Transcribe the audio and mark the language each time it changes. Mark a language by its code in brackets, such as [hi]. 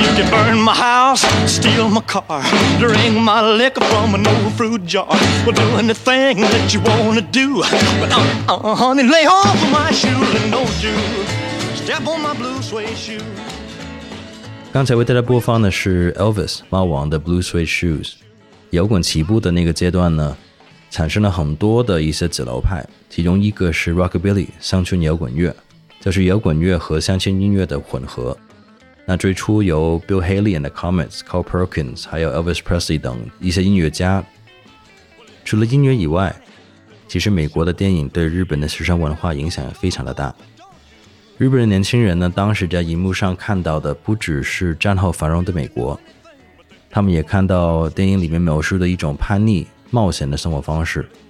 [en] Burn my house, steal my car, drink my liquor from an old fruit jar. Well, do anything that you want to do, but honey, lay off of my shoes and don't you step on my blue suede shoe. [zh] 刚才为大家播放的是 Elvis 猫王的 Blue Suede Shoes。摇滚起步的那个阶段呢，产生了很多的一些子流派，其中一个是 Rockabilly 乡村摇滚乐，就是摇滚乐和乡村音乐的混合。那最初由 Bill Haley and the Comets, Carl Perkins, 还有 Elvis Presley 等一些音乐家。除了音乐以外，其实美国的电影对日本的时尚文化影响非常的大。日本的年轻人呢，当时在荧幕上看到的不只是战后繁荣的美国，他们也看到电影里面描述的一种叛逆冒险的生活方式。